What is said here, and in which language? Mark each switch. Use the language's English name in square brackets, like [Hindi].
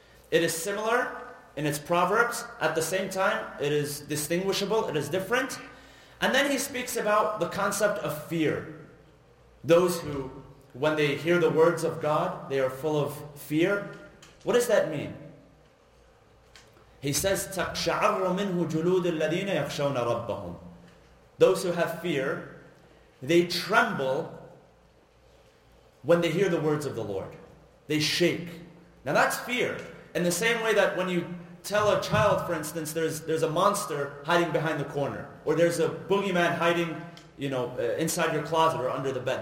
[English] It is similar in its proverbs. At the same time, it is distinguishable, it is different. And then He speaks about the concept of fear. Those who, when they hear the words of God, they are full of fear. What does that mean? He says, [Arabic] تَقْشَعَرُّ مِنْهُ جُلُودِ الَّذِينَ يَخْشَوْنَ رَبَّهُمْ. [English] Those who have fear, they tremble when they hear the words of the Lord. They shake. Now that's fear. In the same way that when you tell a child, for instance, there's a monster hiding behind the corner, or there's a boogeyman hiding, you know, inside your closet or under the bed.